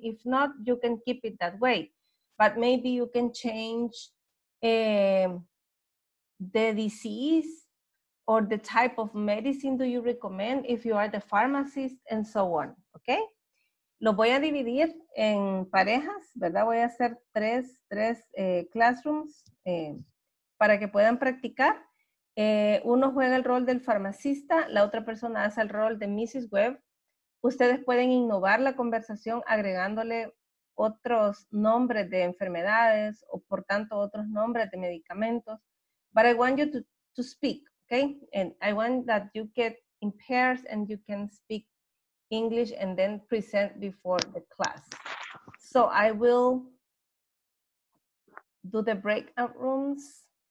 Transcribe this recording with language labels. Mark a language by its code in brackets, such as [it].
[en] If not, you can keep it that way. But maybe you can change the disease or the type of medicine do you recommend if you are the pharmacist and so on, okay? [es] Lo voy a dividir en parejas, ¿verdad? Voy a hacer tres classrooms para que puedan practicar. Uno juega el rol del farmacista, la otra persona hace el rol de Mrs. Webb. Ustedes pueden innovar la conversación agregándole otros nombres de enfermedades o por tanto otros nombres de medicamentos. [en] But I want you to speak. Okay, and I want that you get in pairs and you can speak English and then present before the class. So I will do the breakout rooms.